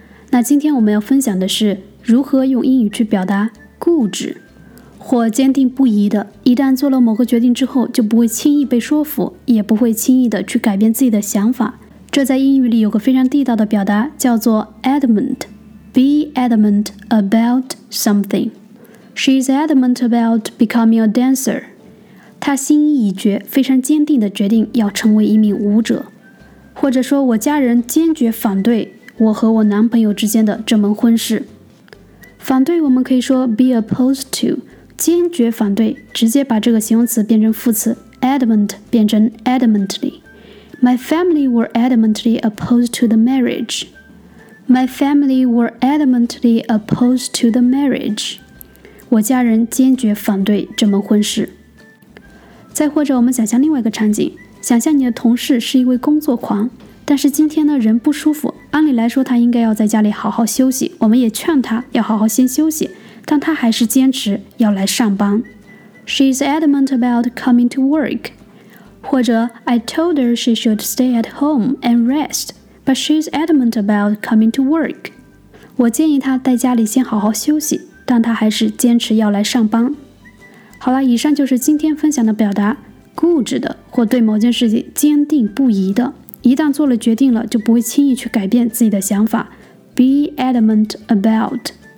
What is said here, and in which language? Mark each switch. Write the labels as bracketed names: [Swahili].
[Chinese] 那今天我们要分享的是如何用英语去表达固执或坚定不移的，一旦做了某个决定之后就不会轻易被说服，也不会轻易的去改变自己的想法。这在英语里有个非常地道的表达，叫做 adamant。 [English] Be adamant about something. She's adamant about becoming a dancer. [Chinese] 她心意已决，非常坚定地决定要成为一名舞者。或者说，我家人坚决反对我和我男朋友之间的这门婚事。反对我们可以说 [English] be opposed to， [Chinese] 坚决反对，直接把这个形容词变成副词 adamant 变成 adamantly。 [English] My family were adamantly opposed to the marriage. My family were adamantly opposed to the marriage. [Chinese] 我家人坚决反对这门婚事。再或者我们想象另外一个场景，想象你的同事是一位工作狂，但是今天呢人不舒服，按理来说他应该要在家里好好休息，我们也劝他要好好先休息，但他还是坚持要来上班。 [English] She's adamant about coming to work. [Chinese] 或者 [English] I told her she should stay at home and rest. But she's adamant about coming to work. [Chinese] 我建议她在家里先好好休息，但她还是坚持要来上班。好了，以上就是今天分享的表达，固执的或对某件事情坚定不移的，一旦做了决定了就不会轻易去改变自己的想法。 [English] Be adamant about.